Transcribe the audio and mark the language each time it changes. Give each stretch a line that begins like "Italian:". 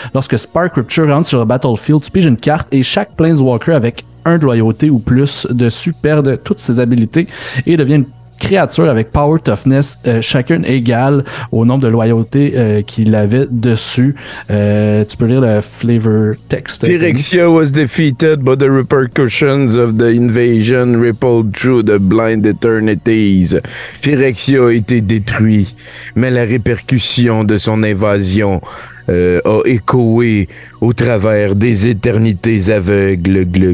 French: Lorsque Spark Rupture rentre sur le battlefield, tu piges une carte et chaque Planeswalker avec un de loyauté ou plus dessus perd toutes ses habilités et devient une créatures avec power toughness, chacune égale au nombre de loyauté qu'il avait dessus. Tu peux lire le flavor text.
English: Phyrexia was defeated, but the repercussions of the invasion rippled through the blind eternities.
French: Phyrexia a été détruit, mais la répercussion de son invasion a échoué au travers des éternités aveugles.